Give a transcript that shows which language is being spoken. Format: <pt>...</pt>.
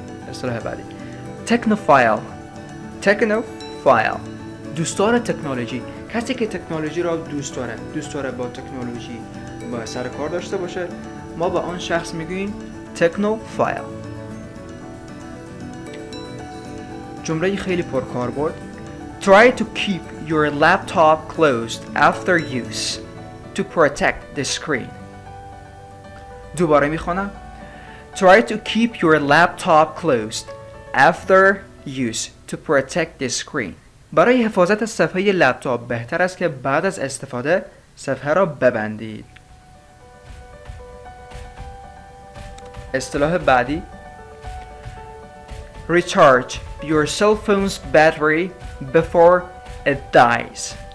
<fa>اصطلاح بعدی تکنوفایل. تکنوفایل دوستدار تکنولوژی، کسی که تکنولوژی را دوست داره، دوست داره با تکنولوژی با سر کار داشته باشه، ما با اون شخص میگوییم تکنوفایل. جمله خیلی پرکاربرد.</fa> <en>Try to keep your laptop closed after use to protect the screen.</en> <fa>دوباره میخونم.</fa> <en>Try to keep your laptop closed after use to protect the screen.</en> <fa>برای حفاظت از صفحه لپتاپ بهتر است که بعد از استفاده صفحه را ببندید. اصطلاح بعدی</fa> <en>Recharge your cell phone's battery before it dies.</en>